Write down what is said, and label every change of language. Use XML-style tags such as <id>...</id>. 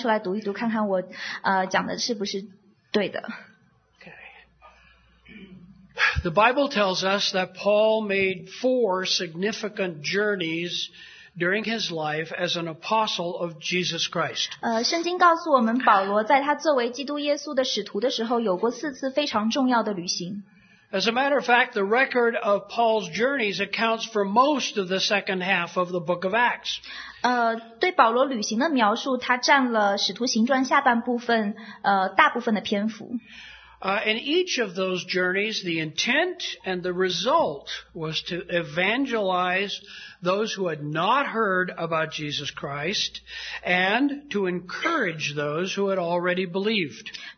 <zh>你可以回家把这些经节翻出来读一读，看看我讲的是不是对的。</zh> <en>Okay. The Bible tells us that Paul made four significant journeys during his life as an apostle of Jesus Christ.</en> <zh>圣经告诉我们，保罗在他作为基督耶稣的使徒的时候，有过四次非常重要的旅行。</zh> <en>As a matter of fact, the record of Paul's journeys accounts for most of the second half of the book of Acts.</en> <zh>对保罗旅行的描述，它占了使徒行传下半部分，大部分的篇幅。</zh> <en>In each of those journeys, the intent and the result was to evangelize those who had not heard about Jesus Christ and to encourage those who had already believed.</en>